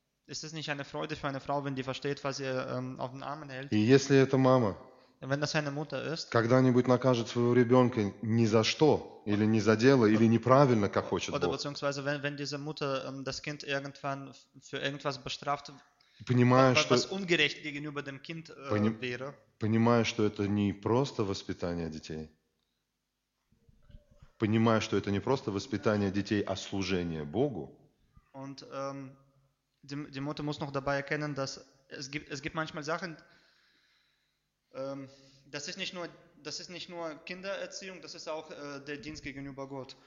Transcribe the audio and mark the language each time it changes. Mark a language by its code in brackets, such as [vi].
[de] Ist es nicht eine Freude für eine Frau, wenn die versteht, was ihr auf den Armen hält? [ru] И если эта мама, [de] wenn das eine Mutter ist, [ru] когда-нибудь накажет своего ребенка ни за что, или не за дело, или неправильно, как хочет Бог. [de] Oder beziehungsweise, wenn diese Mutter das Kind irgendwann für irgendwas bestraft, [ru] понимая, что, [de] was ungerecht gegenüber dem Kind wäre. [ru] Понимая, что это не просто воспитание детей. Понимая, что это не просто воспитание детей, а служение Богу. [de] Und die Mutter muss noch dabei erkennen, dass es gibt manchmal Sachen, das ist nicht nur Kindererziehung, das ist auch der Dienst gegenüber Gott.